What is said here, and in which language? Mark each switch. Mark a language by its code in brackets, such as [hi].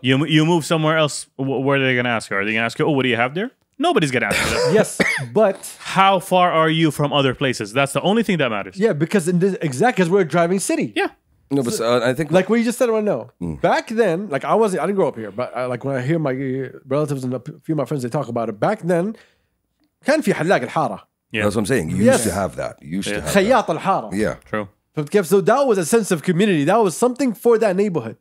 [en] You move somewhere else, what are they going to ask you? Are they going to ask you, oh, what do you have there? Nobody's going to ask you that. Yes, but... How far are you from other places? That's the only thing that matters. Yeah, because in this exact as we're a driving city. Yeah. No, but I think... Like what you just said, I want to know. Mm. Back then, like I didn't grow up here, but like when I hear my relatives and a few of my friends, they talk about it. Back then, [ar] كان في حلاق الحارة. [en] Yeah. That's what I'm saying. You used to have that. Yeah. True. So that was a sense of community. That was something for that neighborhood.